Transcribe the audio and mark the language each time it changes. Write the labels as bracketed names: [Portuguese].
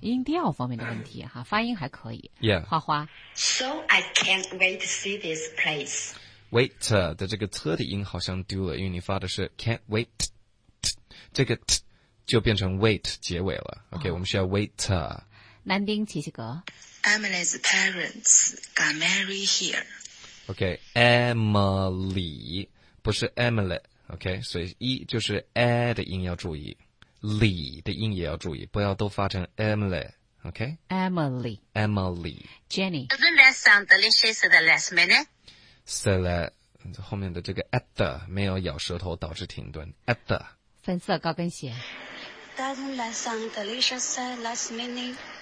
[Chinese] 音调方面的问题哈，发音还可以。 [English] Yeah. [Chinese] 花花。 [English] So I can't wait to see this place. [Chinese] Wait 的这个车的音好像丢了，因为你发的是 can't wait， 这个 t 就变成 wait 结尾了。 OK，、哦、我们需要 wait。南丁奇奇格。 [English] Emily's parents got married here. OK，Emily [Chinese] 不是 [English] Emily，OK、 [Chinese] OK， 所以一就是 a 的音要注意，里的音也要注意，不要都发成 Emily。OK， [English] Emily， Emily， Jenny。 Doesn't that sound delicious at the last minute？ [Chinese] 在后面的这个 at 的没有咬舌头，导致停顿。 at 的粉色高跟鞋。 [English] Doesn't that sound delicious at the last minute？